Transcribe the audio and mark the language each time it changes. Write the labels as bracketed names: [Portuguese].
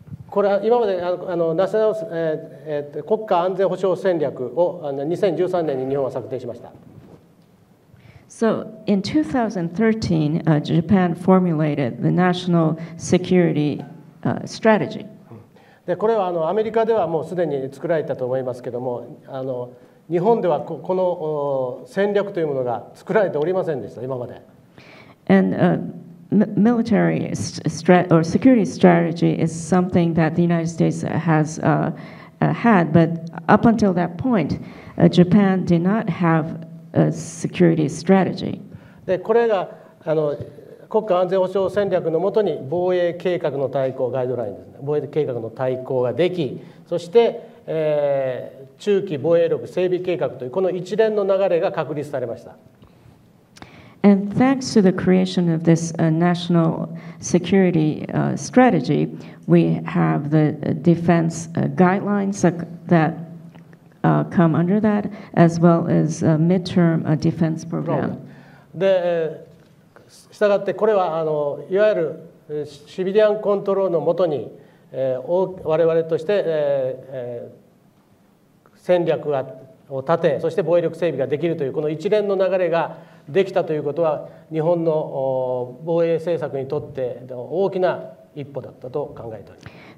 [Japanese] これは今までナショナル国家安全保障戦略を2013年に日本は策定しました。 [English] So in 2013, Japan formulated the national security strategy. [Japanese] で、これはアメリカではもうすでに作られたと思いますけども、日本ではこの戦略というものが作られておりませんでした、今まで。 [English] And, military or security strategy is something that the United States has had, but up until that point, Japan did not have a security strategy. [Japanese] で、これが国家安全保障戦略のもとに防衛計画の大綱ガイドラインですね。防衛計画の大綱ができ、そして、中期防衛力整備計画というこの一連の流れが確立されました。 [English] And thanks to the creation of this national security strategy, we have the defense guidelines that come under that, as well as a midterm defense program. [Japanese] で、したがってこれはいわゆるシビリアンコントロールのもとに、我々として戦略を立て、そして防衛力整備ができるというこの一連の流れが。できたということは日本の防衛政策にとって大きな一歩だったと考えております。